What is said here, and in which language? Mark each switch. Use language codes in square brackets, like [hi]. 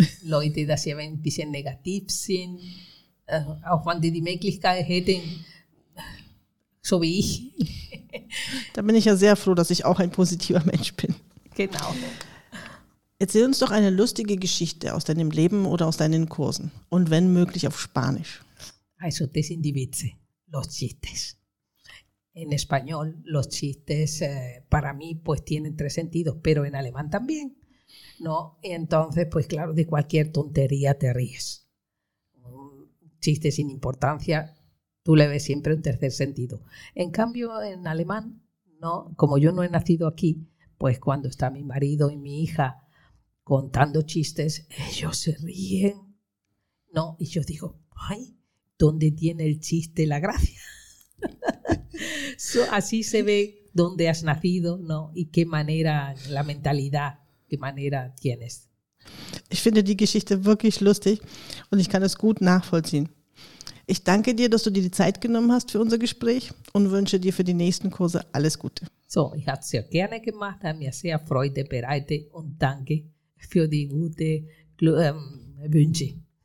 [de] Leute, dass sie ein bisschen negativ sind, auch wenn die Möglichkeit hätten, so wie ich. Da bin ich ja sehr froh, dass ich auch ein positiver Mensch bin. Genau. Erzähl uns doch eine lustige Geschichte aus deinem Leben oder aus deinen Kursen. Und wenn möglich auf Spanisch. Also das sind die Witze. [es] Los chistes. En español, los chistes para mí pues tienen 3 sentidos, pero en alemán también, ¿no? Y entonces, pues claro, de cualquier tontería te ríes. Un chiste sin importancia, tú le ves siempre un tercer sentido. En cambio, en alemán, ¿no? Como yo no he nacido aquí, pues cuando está mi marido y mi hija contando chistes, ellos se ríen, ¿no? Y yo digo, ay, ¿dónde tiene el chiste la gracia? Así se ve dónde has nacido, ¿no? Y qué manera, la mentalidad, qué manera tienes. [de] Ich finde die Geschichte wirklich lustig und ich kann es gut nachvollziehen. Ich danke dir, dass du dir die Zeit genommen hast für unser Gespräch und wünsche dir für die nächsten Kurse alles Gute. So, ich habe es sehr gerne gemacht, habe mir sehr Freude bereitet und danke für die gute Wünsche.